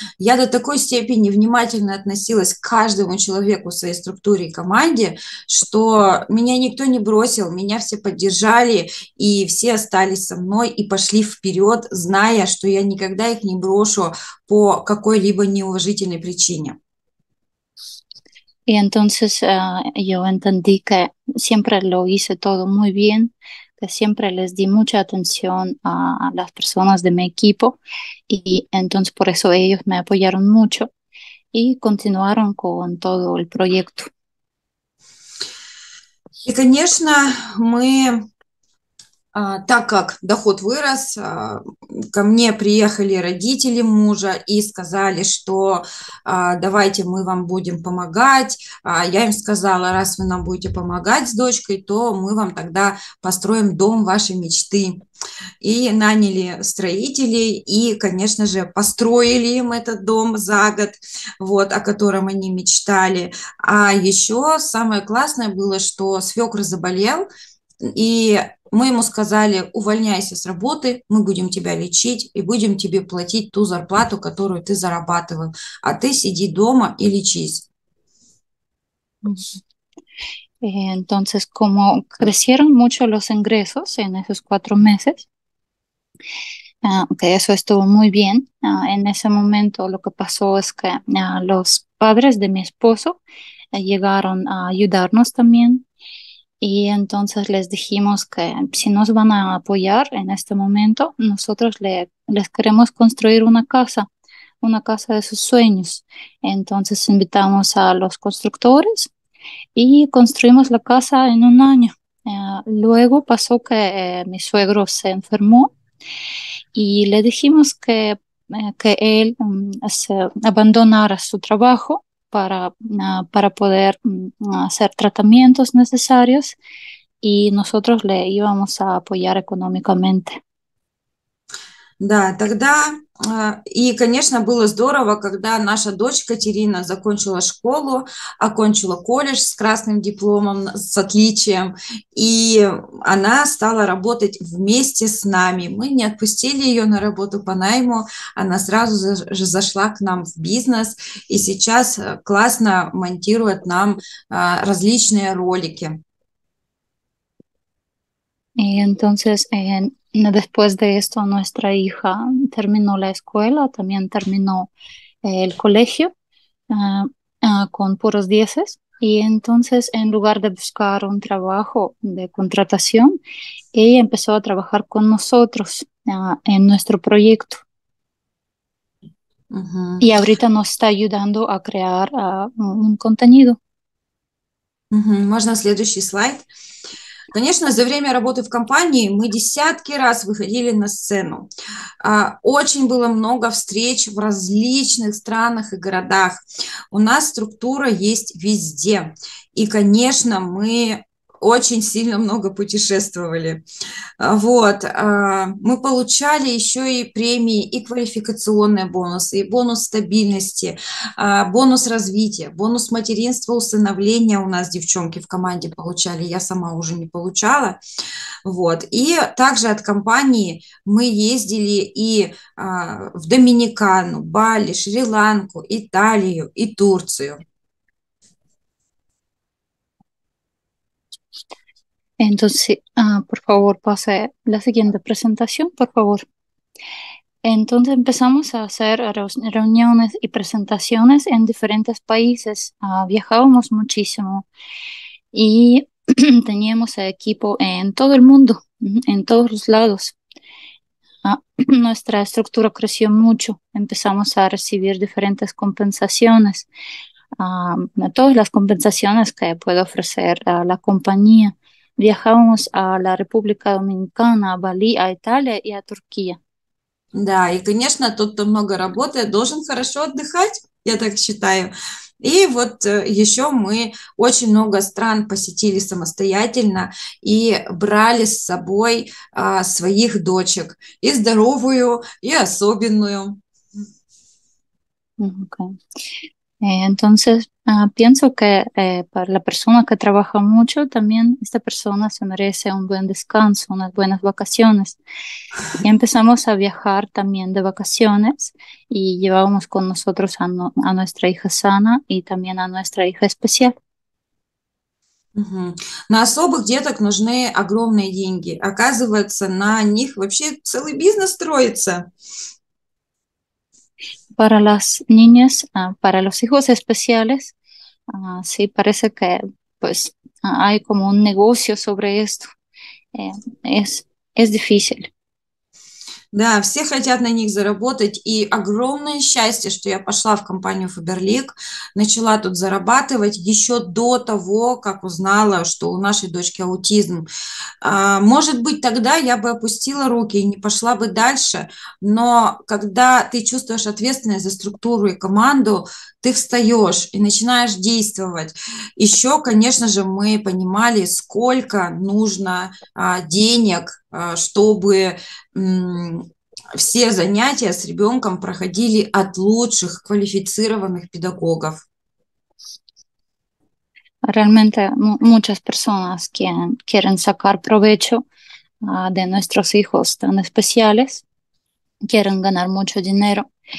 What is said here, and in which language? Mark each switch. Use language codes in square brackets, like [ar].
[ru] Я до такой степени внимательно относилась к каждому человеку в своей структуре и команде, что меня никто не бросил, меня все поддержали, и все остались со мной и пошли вперед, зная, что я никогда их не брошу по какой-либо неуважительной причине. И [es] entonces yo entendí que siempre lo hice todo muy bien. Siempre les di mucha atención a las personas de mi equipo y entonces por eso ellos me apoyaron mucho y continuaron con todo el proyecto. Y, [ru] конечно, мы Так как доход вырос, ко мне приехали родители мужа и сказали, что давайте мы вам будем помогать. Я им сказала, раз вы нам будете помогать с дочкой, то мы вам тогда построим дом вашей мечты. И наняли строителей, и, конечно же, построили им этот дом за год, вот, о котором они мечтали. А еще самое классное было, что свекр заболел, и мы ему сказали, увольняйся с работы, мы будем тебя лечить и будем тебе платить ту зарплату, которую ты зарабатывал, а ты сиди дома и лечись. [es] Entonces, como crecieron mucho los ingresos en esos 4 meses, que eso estuvo muy bien, en ese momento lo que pasó es que los padres de mi esposo llegaron a ayudarnos también, y entonces les dijimos que si nos van a apoyar en este momento, nosotros les queremos construir una casa de sus sueños. Entonces invitamos a los constructores y construimos la casa en un año. Luego pasó que mi suegro se enfermó y le dijimos que él se abandonara su trabajo para poder hacer tratamientos necesarios y nosotros le íbamos a apoyar económicamente. [ru] Да, тогда, и, конечно, было здорово, когда наша дочь Катерина закончила школу, окончила колледж с красным дипломом, с отличием, и она стала работать вместе с нами. Мы не отпустили ее на работу по найму, она сразу же зашла к нам в бизнес и сейчас классно монтирует нам различные ролики. И [es] entonces, después de esto, nuestra hija terminó la escuela, también terminó el colegio con puros dieces. Y entonces, en lugar de buscar un trabajo de contratación, ella empezó a trabajar con nosotros en nuestro proyecto. Y ahorita nos está ayudando a crear un contenido. [ru] ¿Можно следующий слайд? Конечно, за время работы в компании мы десятки раз выходили на сцену. Очень было много встреч в различных странах и городах. У нас структура есть везде. И, конечно, мы очень сильно много путешествовали. Вот. Мы получали еще и премии, и квалификационные бонусы, и бонус стабильности, бонус развития, бонус материнства, усыновления у нас девчонки в команде получали. Я сама уже не получала. Вот. И также от компании мы ездили и в Доминикану, Бали, Шри-Ланку, Италию и Турцию. [es] Entonces, por favor, pase la siguiente presentación, por favor. Entonces empezamos a hacer reuniones y presentaciones en diferentes países. Viajábamos muchísimo y teníamos equipo en todo el mundo, en todos los lados. Nuestra estructura creció mucho. Empezamos a recibir diferentes compensaciones, todas las compensaciones que puede ofrecer la compañía. Viajamos a la República Dominicana, a Bali, a Italia y a Turquía. [ru] Да, и, конечно, тот, кто много работает, должен хорошо отдыхать, я так считаю. И вот еще мы очень много стран посетили самостоятельно и брали с собой своих дочек, и здоровую, и особенную. [es] Entonces, pienso que para la persona que trabaja mucho, también esta persona se merece un buen descanso, unas buenas vacaciones. Y empezamos a viajar también de vacaciones y llevábamos con nosotros a, no, a nuestra hija sana y también a nuestra hija especial. [ru] На особых деток нужны огромные деньги. Оказывается, на них вообще целый бизнес строится. [es] Para las niñas, para los hijos especiales, sí, parece que pues hay como un negocio sobre esto. Es difícil. [ru] Да, все хотят на них заработать, и огромное счастье, что я пошла в компанию Faberlic, начала тут зарабатывать еще до того, как узнала, что у нашей дочки аутизм. Может быть, тогда я бы опустила руки и не пошла бы дальше, но когда ты чувствуешь ответственность за структуру и команду, ты встаешь и начинаешь действовать. Еще, конечно же, мы понимали, сколько нужно денег, чтобы все занятия с ребенком проходили от лучших квалифицированных педагогов. [es] Realmente muchas personas quieren sacar provecho de nuestros hijos tan especiales, quieren ganar mucho dinero.